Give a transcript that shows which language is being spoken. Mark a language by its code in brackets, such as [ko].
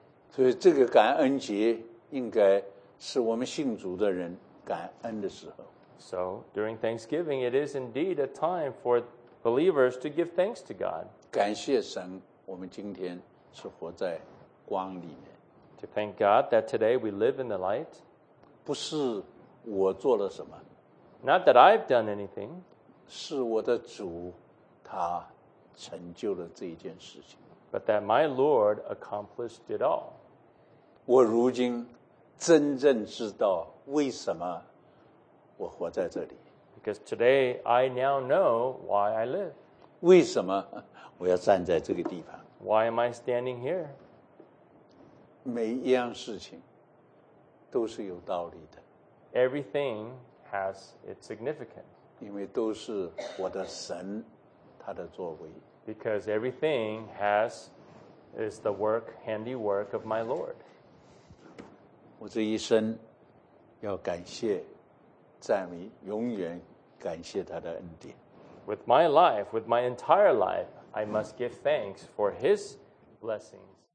[zh] 所以这个感恩节应该是我们信主的人感恩的时候。 [en] So, during Thanksgiving, it is indeed a time for believers to give thanks to God. [zh] 感谢神，我们今天是活在光里面。 [en] To thank God that today we live in the light. [zh] 不是我做了什么。 [en] Not that I've done anything. [zh] 是我的主，他成就了这一件事情。 [en] But that my Lord accomplished it all. [zh] 我如今真正知道为什么我活在这里。 [en] Because today I now know why I live. [zh] 为什么我要站在这个地方？ [en] Why am I standing here? [zh] 每一样事情都是有道理的。 [en] Everything has its significance. [zh] 因为都是我的神他的作为。 [en] Because everything is the work, handiwork of my Lord. [zh] 我这一生要感谢赞美，永远感谢他的恩典。 [en] With my life, with my entire life, I must give thanks for his blessings.